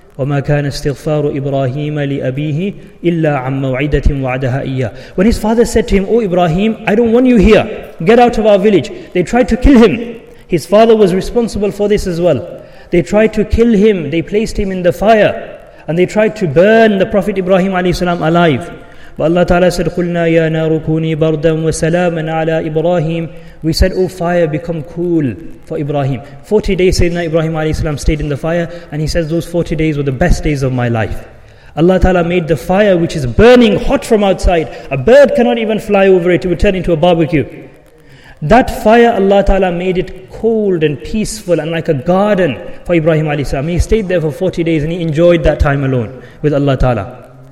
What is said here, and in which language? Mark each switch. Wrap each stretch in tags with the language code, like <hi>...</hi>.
<ar>وَمَا كَانَ اسْتِغْفَارُ إِبْرَاهِيمَ لِأَبِيهِ إِلَّا عَمَّ مَوْعِدَةٍ وَعَدَهَا إِيَّا.</ar> <en>When his father said to him, Oh Ibrahim, I don't want you here. Get out of our village. They tried to kill him. His father was responsible for this as well. They tried to kill him, they placed him in the fire, and they tried to burn the Prophet Ibrahim a.s. alive. But Allah Ta'ala said,</en> <ar>قُلْنَا يَا نَارُ كُونِي بَرْدًا وَسَلَامًا عَلَى إِبْرَاهِيمٍ.</ar> <en>We said, Oh fire, become cool for Ibrahim. 40 days Sayyidina Ibrahim a.s. stayed in the fire, and he says, those 40 days were the best days of my life. Allah Ta'ala made the fire, which is burning hot from outside. A bird cannot even fly over it, it would turn into a barbecue. That fire, Allah Ta'ala made it cold and peaceful and like a garden for Ibrahim alayhi salam. He stayed there for 40 days and he enjoyed that time alone with Allah Ta'ala.</en>